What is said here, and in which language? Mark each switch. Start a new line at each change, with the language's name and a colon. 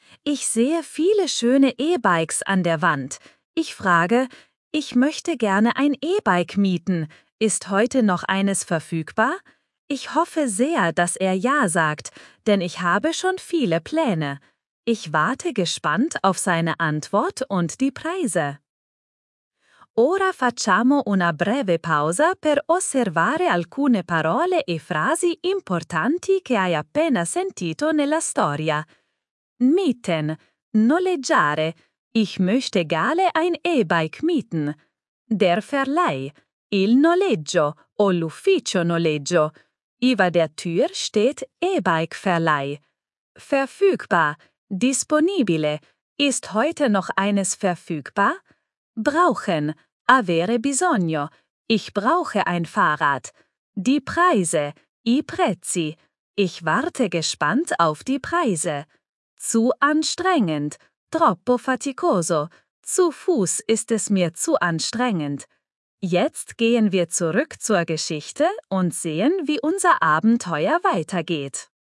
German: Ich sehe viele schöne E-Bikes an der Wand. Ich frage, ich möchte gerne ein E-Bike mieten. Ist heute noch eines verfügbar? Ich hoffe sehr, dass er ja sagt, denn ich habe schon viele Pläne. Ich warte gespannt auf seine Antwort und die Preise.
Italian: Ora facciamo una breve pausa per osservare alcune parole e frasi importanti che hai appena sentito nella storia. Mieten, noleggiare.
German: Ich möchte gerne ein E-Bike mieten. Der Verleih,
Italian: il noleggio o l'ufficio noleggio.
German: Über der Tür steht E-Bike-Verleih. Verfügbar, disponibile. Ist heute noch eines verfügbar?
Italian: Brauchen, avere bisogno.
German: Ich brauche ein Fahrrad. Die Preise,
Italian: i prezzi.
German: Ich warte gespannt auf die Preise. Zu anstrengend.
Italian: Troppo faticoso.
German: Zu Fuß ist es mir zu anstrengend. Jetzt gehen wir zurück zur Geschichte und sehen, wie unser Abenteuer weitergeht.